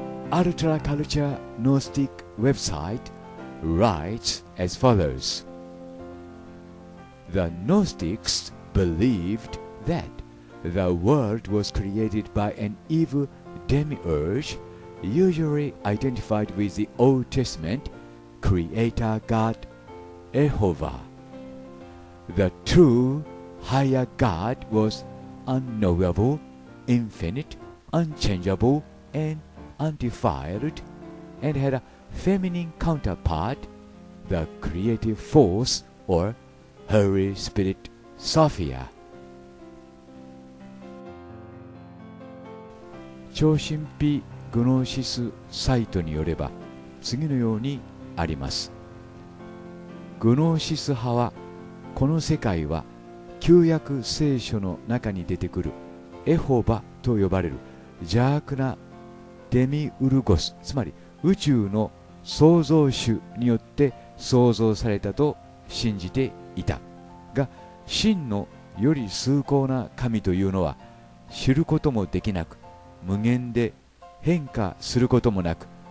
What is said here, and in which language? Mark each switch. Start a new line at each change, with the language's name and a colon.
English: アルトラカルチャーノースティックウェブサイト writes as follows. The Gnostics believed that the world was created by an evil demiurge, usually identified with the Old Testament creator God Jehovah. The true higher God was unknowable, infinite, unchangeable, andUndefiled, and had a feminine counterpart, the creative force or Holy Spirit Sophia.
Japanese: 超神秘グノーシスサイトによれば、次のようにあります。グノーシス派は、この世界は旧約聖書の中に出てくるエホバと呼ばれる邪悪なデミウルゴス、つまり宇宙の創造主によって創造されたと信じていたが、真のより崇高な神というのは知ることもできなく、無限で変化することもなく、